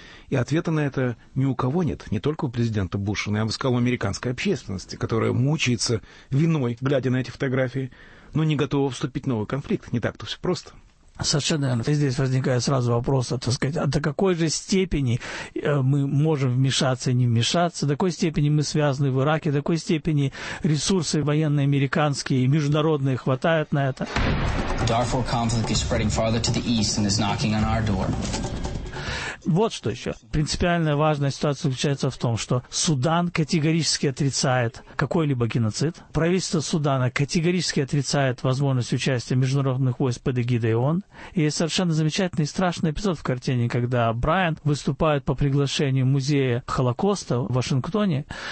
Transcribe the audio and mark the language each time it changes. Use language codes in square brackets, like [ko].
[ru] И ответа на это ни у кого нет, не только у президента Буша, но я бы сказал, у американской общественности, которая мучается виной, глядя на эти фотографии, но не готова вступить в новый конфликт. Не так-то все просто. Совершенно верно. Здесь возникает сразу вопрос, так сказать, а до какой же степени мы можем вмешаться и не вмешаться, до какой степени мы связаны в Ираке, до какой степени ресурсы военные американские и международные хватают на это. [en] Darfur conflict is spreading farther to the east and is knocking on our door. [ru] Вот что еще. Принципиальная важная ситуация заключается в том, что Судан категорически отрицает какой-либо геноцид. Правительство Судана категорически отрицает возможность участия международных войск под эгидой ООН. И есть совершенно замечательный и страшный эпизод в картине, когда Брайан выступает по приглашению музея Холокоста в Вашингтоне.